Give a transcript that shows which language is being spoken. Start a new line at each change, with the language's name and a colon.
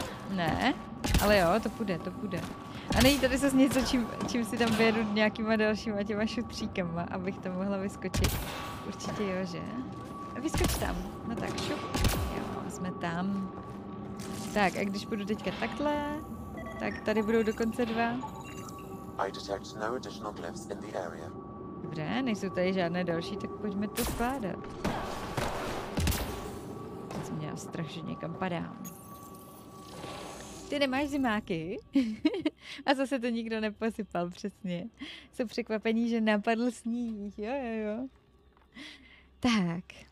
Czech: Ne, ale jo, to půjde. A není tady zase něco, čím si tam vyjedu nějakýma dalšíma těma šutříkama, abych tam mohla vyskočit. Určitě jo, že? Vyskoč tam. No tak, šup. Jo, jsme tam. Tak, a když půjdu teďka takhle, tak tady budou dokonce dva.
English: I detect no additional glyphs in the area.
Czech: Dobře, nejsou tady žádné další, tak pojďme to skládat. Teď jsem měla strach, že někam padám. Ty nemáš zimáky? A zase to nikdo neposypal, přesně. Jsou překvapení, že napadl sníh, jo, jo, jo. Tak.